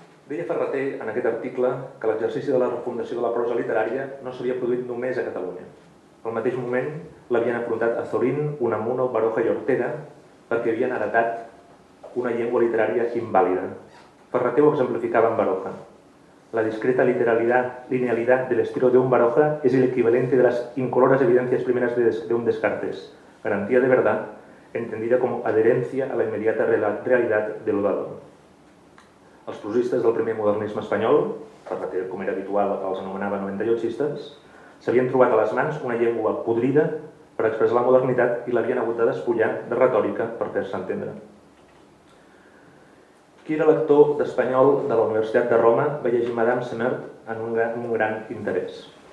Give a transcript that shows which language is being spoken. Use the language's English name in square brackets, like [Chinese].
[Catalan] Deia Ferrater en aquest article que l'exercici de la refundació de la prosa literària no s'havia produït només a Catalunya. Al mateix moment l'havien afrontat Azorín, Unamuno, Baroja i Ortega perquè havien heretat una llengua literària invàlida. Ferrater ho exemplificava en Baroja. [Spanish] La discreta linealidad del estilo de un Baroja es el equivalente de las incoloras evidencias primeras de un Descartes, garantía de verdad, entendida como adherencia a la inmediata realidad de lo dado. [Catalan] Els prosistes del primer modernisme espanyol, Ferrater, com era habitual, els anomenava 98istes, s'havien trobat a les mans una llengua podrida per expressar la modernitat i l'havien hagut de despullar de retòrica per fer-se entendre. Qui era lector d'espanyol de la Universitat de Roma va llegir Madame Semert en un gran interès.